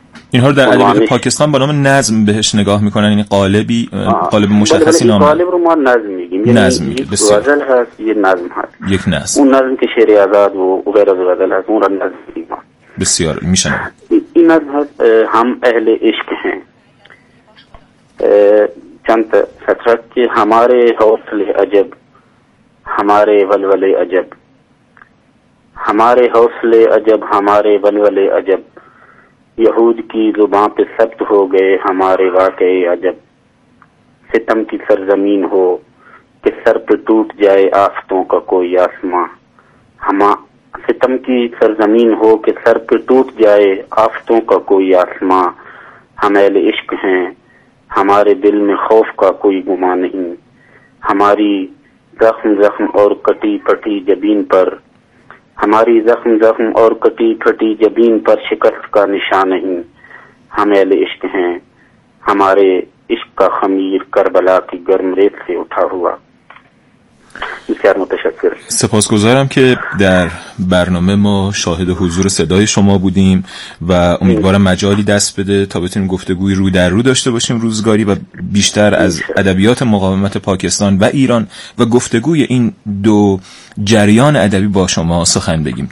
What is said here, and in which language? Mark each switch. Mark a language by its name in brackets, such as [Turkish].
[Persian] اینها رو در ادبیات پاکستان با نام نظم بهش نگاه میکنن، یعنی قالبی قالب مشخصی نامه. قالب رو ما نظم میگیم، یعنی نظم میگیم. بسیار. غزل هست، یه نظم هست، یک نظم، اون نظم که شعر آزاد و غیر از غزل هست، اون رو نظم میگیم. بسیار میشن. این نظم هست، هم اهل عشق هم چند تا سطر هست که [Urdu] ہمارے حوصلے عجب ہمارے ولولے عجب، ہمارے حوصلے عجب ہمارے ولولے عجب، یہود کی زبان پہ سبت ہو گئے ہمارے واقعے عجب، ستم کی سرزمین ہو کہ سر پہ ٹوٹ جائے آفتوں کا کوئی آسمان، ستم کی سرزمین ہو کہ سر پہ ٹوٹ جائے آفتوں کا کوئی آسمان، ہم اہل عشق ہیں ہمارے دل میں خوف کا کوئی گمان نہیں، ہماری زخم زخم اور کٹی پٹی جبین پر، ہماری زخم زخم اور کٹی پٹی جبین پر شکست کا نشان نہیں، ہم اہل عشق ہیں، ہمارے عشق کا خمیر کربلا کی گرم ریت سے اٹھا ہوا. [Persian] بسیار متشکر، سپاسگزارم که در برنامه ما شاهد حضور صدای شما بودیم و امیدوارم مجالی دست بده تا بتونیم گفتگوی رو در رو داشته باشیم روزگاری و بیشتر از ادبیات مقاومت پاکستان و ایران و گفتگوی این دو جریان ادبی با شما سخن بگیم.